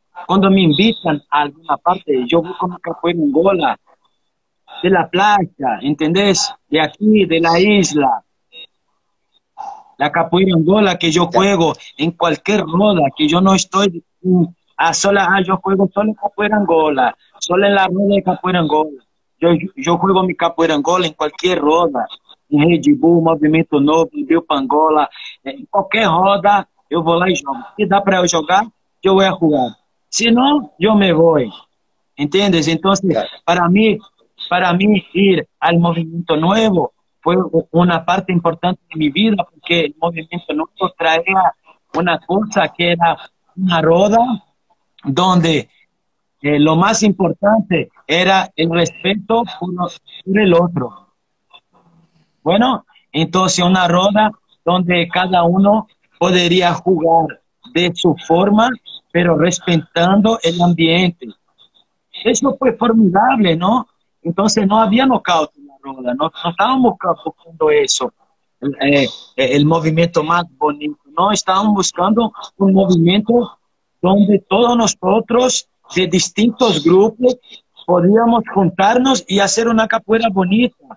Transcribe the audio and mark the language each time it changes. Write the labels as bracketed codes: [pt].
[es] Cuando me invitan a alguna parte, yo busco una capoeira en Angola, de la playa, ¿entendés? De aquí, de la isla. La capoeira Angola que yo juego en cualquier roda, que yo no estoy a sola, yo juego solo en capoeira Angola, solo en la roda de capoeira Angola. Yo juego mi capoeira Angola en cualquier roda, en Red Bull, [pt] Movimento Novo, em Rio Pangola, em qualquer roda, eu vou lá e jogo. Se dá para eu jogar, eu vou jogar. Se não, eu me vou. Entendes? Então, para mim, ir ao Movimento Novo foi uma parte importante de minha vida, porque o Movimento Novo traía uma coisa que era uma roda onde lo mais importante era o respeito por el outro. [es] Bueno, entonces una roda donde cada uno podría jugar de su forma, pero respetando el ambiente. Eso fue formidable, ¿no? Entonces no había nocaut en la roda, no estábamos buscando eso, el movimiento más bonito, no estábamos buscando un movimiento donde todos nosotros de distintos grupos podíamos juntarnos y hacer una capoeira bonita.